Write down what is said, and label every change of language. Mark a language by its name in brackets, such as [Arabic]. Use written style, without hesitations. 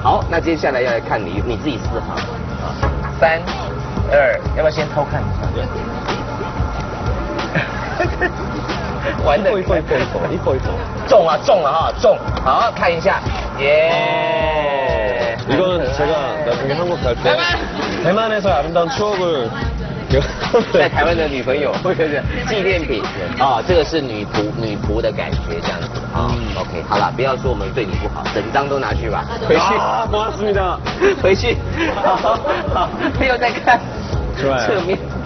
[Chinese] 好，那接下来要来看你，你自己试哈，三，二，要不要先偷看一下？玩的一波一波一波一波一波，中了中了哈，中，好看一下，耶。 [Korean] 이건제가나중에한국갈때대만에서의아름다운추억을 [Chinese] 在台湾的女朋友或者是纪念品啊，这个是女仆的感觉这样子啊。 OK， 好了，不要说我们对你不好，整张都拿去吧，回去。啊， [Korean] 고맙습니다。 [Chinese] 回去，好，不要再看侧面。